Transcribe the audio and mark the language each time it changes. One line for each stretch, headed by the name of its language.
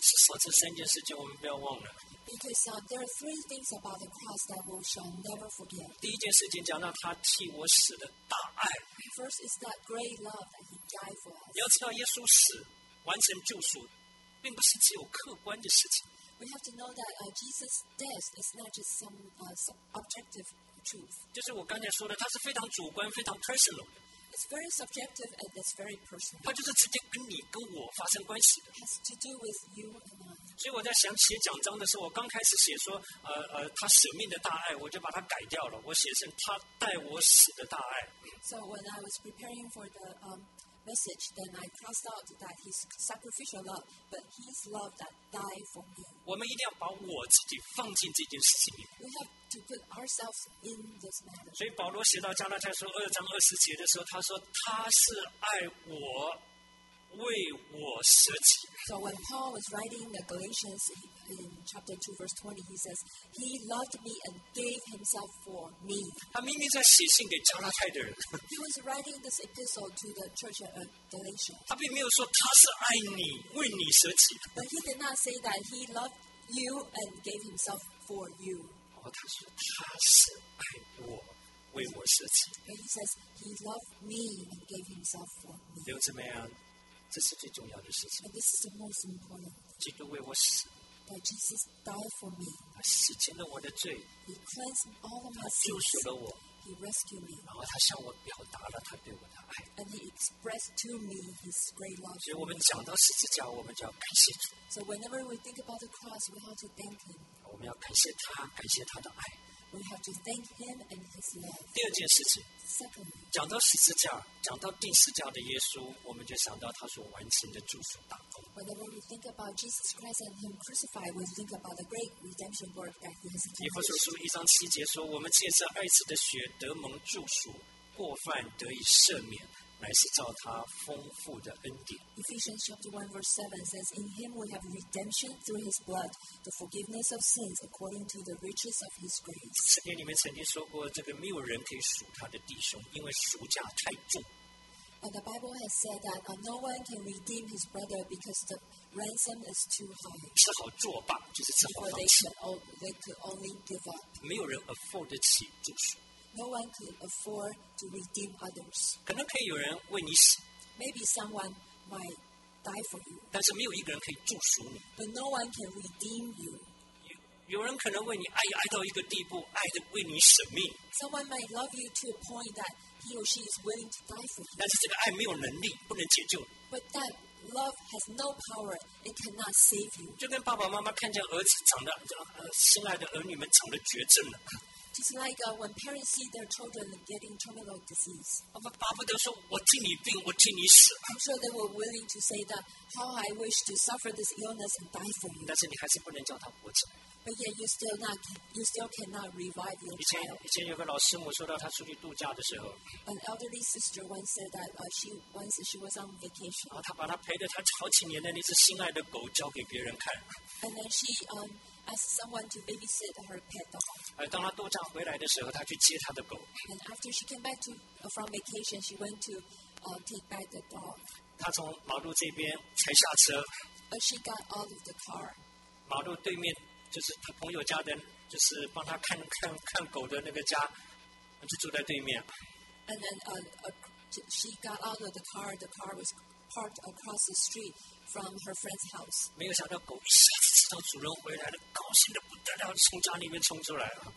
English: Because there are three things about the cross that we shall never forget.
Chinese: 第一件事情讲到他替我死的大爱。
English: First is that great love that he died for us.
Chinese: 你要知道耶稣死完成救赎并不是只有客观的事情。
English: We have to know that Jesus' death is not just some objective truth.
Chinese: 就是我刚才说的，他是非常主观，非常 personal 的。
English: It's very subjective and it's very personal.
Chinese: 它就是直接跟你跟我发生关系的。
English: It has to do with you and I.
Chinese: 所以我在想写讲章的时候，我刚开始写说，他舍命的大爱，我就把它改掉了，我写成他带我死的大爱。
English: So when I was preparing for the message, then I crossed out that his sacrificial love, but his love that died for me.
Chinese: 我们一定要把我自己放进这件事情里。
English: We have to put ourselves in this matter.
Chinese: 所以保罗写到加拉太书二章二十节的时候，他说他是爱我，为我舍己。
English: So when Paul was writing the Galatians in chapter 2 verse 20, he says he loved me and gave himself for me.
Chinese: 他明明在写信给加拉太的人。
English: He was writing this epistle to the church at Galatia.
Chinese: 他并没有说他是爱你，为你舍己。
English: But he did not say that he loved you and gave himself for you.
Chinese: 哦，他说他是爱我，为我舍己。
English: But he says he loved me and gave himself for me.
Chinese: 刘志梅啊，这是最重要的事情。
English: And this is the most important.
Chinese: 基督为我死。
English: That Jesus died for me.
Chinese: 他洗清了我的罪。
English: He cleansed all of my sins.
Chinese: 他救赎了我。
English: He rescued me.
Chinese: 然后他向我表达了他对我的爱。
English: And he expressed to me his great love.
Chinese: 所以我们讲到十字架，我们就要感谢主。
English: So whenever we think about the cross, we have to thank him.
Chinese: 我们要感谢他，感谢他的爱。
English: We have to thank him and his love.
Chinese: 第二件事情。
English: Secondly,
Chinese: 讲到十字架，讲到钉十字架的耶稣，我们就想到他所完成的救赎大功。
English: Whenever we think about Jesus Christ and Him crucified, we think about the great redemption work that He has done.
Chinese: 以弗所书一章七节说：“我们借着爱子的血得蒙救赎，过犯得以赦免，乃是照他丰富的恩典。”
English: Ephesians chapter 1 verse 7 says, "In Him we have redemption through His blood, the forgiveness of sins according to the riches of His grace."
Chinese: 圣经里面曾经说过，这个没有人可以赎他的弟兄，因为赎价太重。
English: And the Bible has said that no one can redeem his brother because the ransom is too high.
Chinese: 只好作罢，就是只好放弃。
English: They could only give up.
Chinese: 没有人 afford 得起救赎。
English: No one could afford to redeem others.
Chinese: 可能可以有人为你死。
English: Maybe someone might die for you.
Chinese: 但是没有一个人可以救赎你。
English: But no one can redeem you.
Chinese: 有人可能为你爱，爱到一个地步，爱得为你舍命。
English: Someone might love you to a point that he or she is willing to die for you.
Chinese: 但是这个爱没有能力，不能解救。
English: But that love has no power. It cannot save you.
Chinese: 就跟爸爸妈妈看见儿子长得，心爱的儿女们长得绝症了。
English: It's like when parents see their children getting terminal disease.
Chinese: 爸爸都说我替你病，我替你死。
English: I'm sure they were willing to say that, how I wish to suffer this illness and die for you.
Chinese: 但是你还是不能叫他活着。
English: But yet you still cannot revive your child.
Chinese: 以前有个老师母说到他出去度假的时候。
English: An elderly sister once said that she was on vacation.
Chinese: 然后他把他陪着他好几年的那只心爱的狗交给别人看。
English: And then she asked someone to babysit her pet dog.
Chinese: 当他度假回来的时候，他去接他的狗。
English: And after she came back from vacation, she went to take back the dog.
Chinese: 他从马路这边才下车。
English: But she got out of the car.
Chinese: 马路对面就是他朋友家的，就是帮他看狗的那个家，就住在对面。
English: And then she got out of the car. The car was parked across the street from her friend's house.
Chinese: 没有想到狗一下子知道主人回来了，高兴的不得了，从家里面冲出来了。